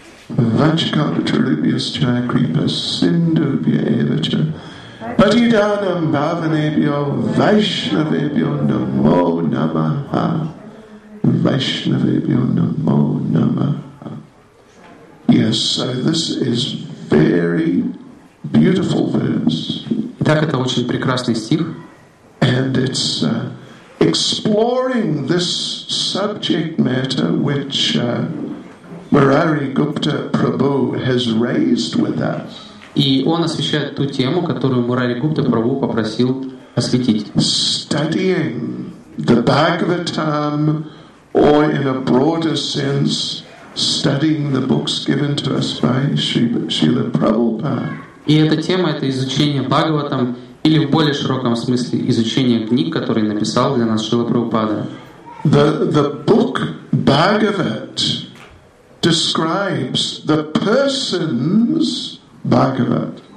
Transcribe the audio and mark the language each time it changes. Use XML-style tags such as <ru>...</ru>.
<sa>Vachkapa Tarubhyas Chai Kripa Sindhu Bhya Evacha Patidhanam Bhavanebhyo Vaishnavebhyo Namo Namaha Vaishnavebhyo Namo Namaha.</sa> <en>Yes, so this is very beautiful verse.</en> <ru>Так это очень прекрасный стих.</ru> <en>And it's exploring this subject matter which Murari Gupta Prabhu has raised with us.</en> <ru>И он освещает ту тему, которую Мурари Гупта Прабху попросил осветить.</ru> <en>Studying the Bhagavatam, or in a broader sense, studying the books given to us by Srila Prabhupada.</en> <ru>И эта тема — это изучение Бхагаватам или в более широком смысле изучение книг, которые написал для нас Шрила Прабхупада.</ru> <en>The book Bhagavat describes the persons Bhagavat.</en>